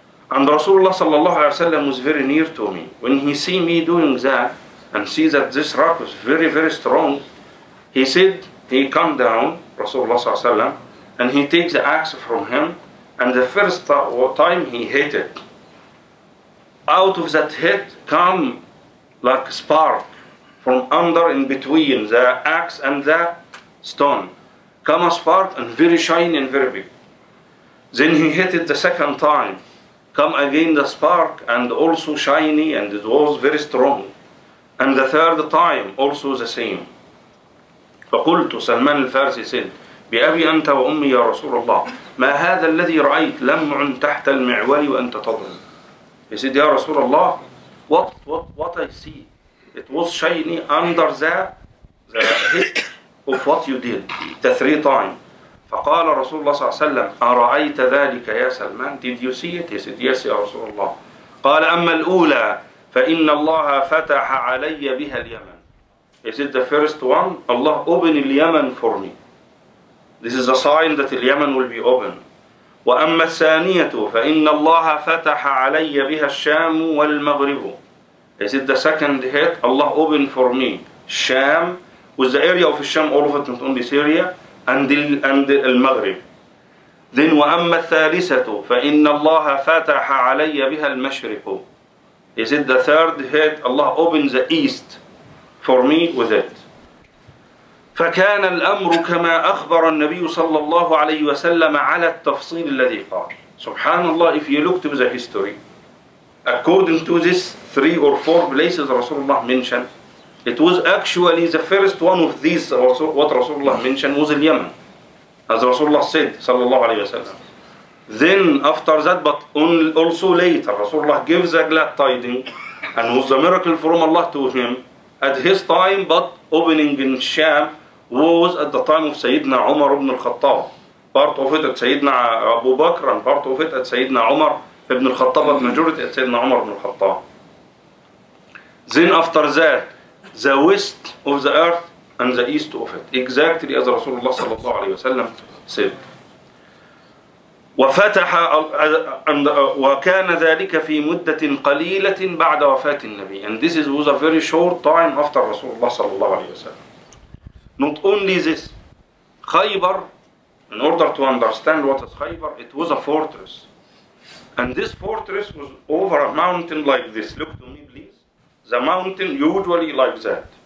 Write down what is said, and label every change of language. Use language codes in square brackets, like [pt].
[en] And Rasulullah sallallahu alayhi wa sallam was very near to me. When he see me doing that and see that this rock was very, very strong, he said, he come down, Rasulullah sallallahu alayhi wa sallam, and he takes the axe from him, and the first time he hit it, out of that hit come like spark from under in between the axe and the stone. Come a spark and very shiny and very big. Then he hit it the second time. Come again the spark and also shiny, and it was very strong. And the third time also the same. [ar] فقلت سلمان الفارسي [en] said, [ar] بأبي أنت وأمي يا رسول الله ما هذا الذي رأيت لمع تحت المعول وأنت تضرب. [en] He said, [ar] يا رسول الله, [en] what I see, it was shiny under the hit of what you did the three times. [ar] فقال رسول الله صلى الله عليه وسلم أرأيت ذلك يا سلمان. [en] Did you see it? He said, yes, [ar] يا رسول الله. قال أما الأولى فإن الله فتح علي بها اليمن. [en] He said, the first one, Allah open the Yemen for me. This is a sign that the Yemen will be open. [ar] وأما الثانية فإن الله فتح علي بها الشام والمغرب. [en] He said, the second hit, Allah open for me Sham, with the area of Sham, all of it, not only Syria, and المغرب. Then [ar] وأما الثالثة فإن الله فتح علي بها المشرق. [en] He said, the third hit, Allah open the east for me with it. [ar] فكان الأمر كما أخبر النبي صلى الله عليه وسلم على التفصيل الذي قال. سبحان الله, [en] if you looked at the history, according to this three or four places Rasulullah mentioned, it was actually the first one of these, what Rasulullah mentioned, was the Yemen, as Rasulullah said, [ar] صلى الله عليه وسلم. [en] Then after that, but also later, Rasulullah gives a glad tiding, and was a miracle from Allah to him, at his time, but opening in Sham, was at the time of Sayyidina Umar ibn al-Khattab. Part of it at Sayyidina Abu Bakr and part of it at Sayyidina Umar ibn al-Khattab, but majority at Sayyidina Umar ibn al-Khattab. Then after that, the west of the earth and the east of it, exactly as Rasulullah sallallahu alayhi wa sallam said. [ar] وفتح عند وكان ذلك في مدة قليلة بعد وفاة النبي. [en] And this was a very short time after Rasulullah sallallahu alayhi wa sallam. Not only this, Khaybar, in order to understand what is Khaybar, it was a fortress. And this fortress was over a mountain like this. Look to me, please. The mountain usually like that.